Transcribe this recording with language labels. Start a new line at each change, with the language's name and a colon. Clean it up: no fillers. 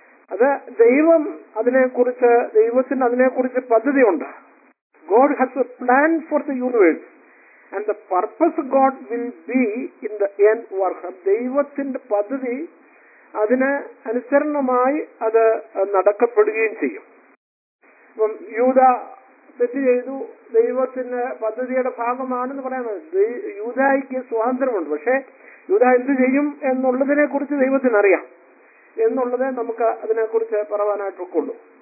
Malayalam: അത് ദൈവം അതിനെക്കുറിച്ച് ദൈവത്തിന് അതിനെക്കുറിച്ച് പദ്ധതിയുണ്ട്.
English: God has a plan for the universe and the purpose of God will be in the end work.
Malayalam: ദൈവത്തിന്റെ പദ്ധതി അതിന് അനുസരണമായി അത് നടക്കപ്പെടുകയും ചെയ്യും. അപ്പം യൂദ തെറ്റ് ചെയ്തു, ദൈവത്തിന്റെ പദ്ധതിയുടെ ഭാഗമാണെന്ന് പറയാൻ. യൂദായിക്ക് സ്വാതന്ത്ര്യമുണ്ട്, പക്ഷേ യൂദ എന്ത് ചെയ്യും എന്നുള്ളതിനെ കുറിച്ച് ദൈവത്തിന് അറിയാം എന്നുള്ളത് നമുക്ക് അതിനെക്കുറിച്ച് പറയാനായിട്ടൊക്കെയുള്ളൂ.